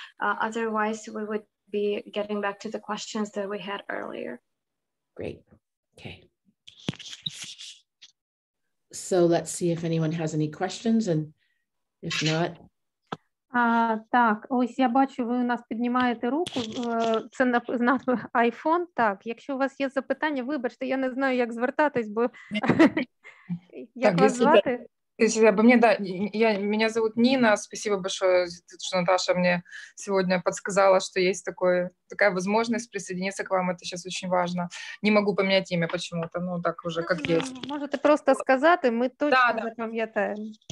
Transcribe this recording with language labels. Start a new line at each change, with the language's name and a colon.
English: Otherwise, we would be getting back to the questions that we had earlier. Great. Okay. So let's see if anyone has any questions, and if not.
Ukrainian: Так, ось я бачу, ви у нас піднімаєте руку, це на iPhone. Так, якщо у вас є запитання, вибачте, я не знаю, як звертатись, бо як вас звати?
Russian: Извините, обо мне, да, я, меня зовут Нина, спасибо большое, что Наташа мне сегодня подсказала, что есть такое, такая возможность присоединиться к вам, это сейчас очень важно. Не могу поменять имя почему-то, ну так уже как есть. Можете просто сказать, мы точно запоминаем.